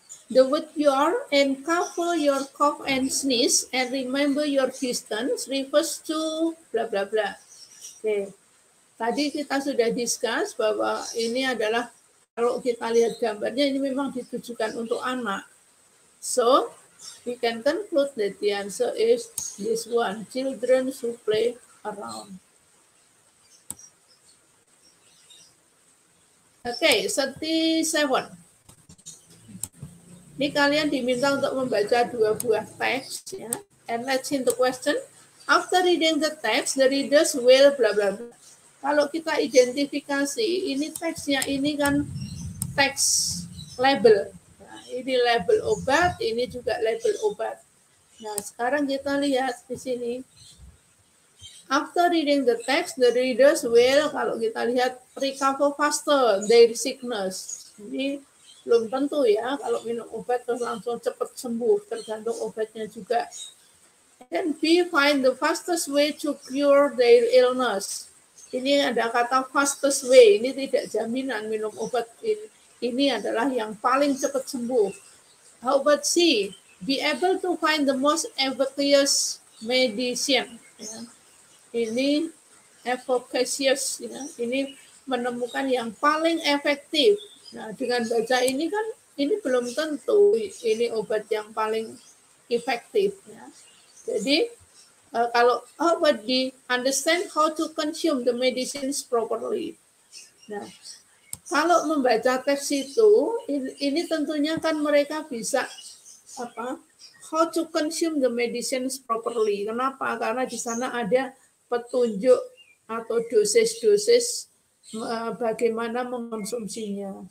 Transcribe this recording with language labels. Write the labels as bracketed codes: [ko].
[en] The word your and cover your cough and sneeze and remember your distance refers to blah blah blah. Okay. [id] Tadi kita sudah discuss bahwa ini adalah kalau kita lihat gambarnya ini memang ditujukan untuk anak. [en] So, we can conclude that the answer is this one, children who play around. Okay, 37. [id] Ini kalian diminta untuk membaca dua buah teks, ya. [en] And let's see the question. After reading the text, the readers will blah blah blah. [id] Kalau kita identifikasi, ini teksnya ini kan teks label. Nah, ini label obat, ini juga label obat. Nah, sekarang kita lihat di sini. [en] After reading the text, the readers will, [id] kalau kita lihat, [en] recover faster their sickness. [id] Ini belum tentu ya, kalau minum obat terus langsung cepat sembuh, tergantung obatnya juga. [en] Then B, find the fastest way to cure their illness. [id] Ini ada kata fastest way, ini tidak jaminan minum obat ini adalah yang paling cepat sembuh. [en] How about C, be able to find the most efficacious medicine. [id] Ini efficacious, ya. Ini menemukan yang paling efektif. Nah, dengan baca ini kan, ini belum tentu ini obat yang paling efektif. Ya. Jadi, kalau [en] how about the understand how to consume the medicines properly. [id] Nah, kalau membaca teks itu, ini tentunya kan mereka bisa apa? [en] How to consume the medicines properly. [id] Kenapa? Karena di sana ada petunjuk atau dosis-dosis bagaimana mengonsumsinya.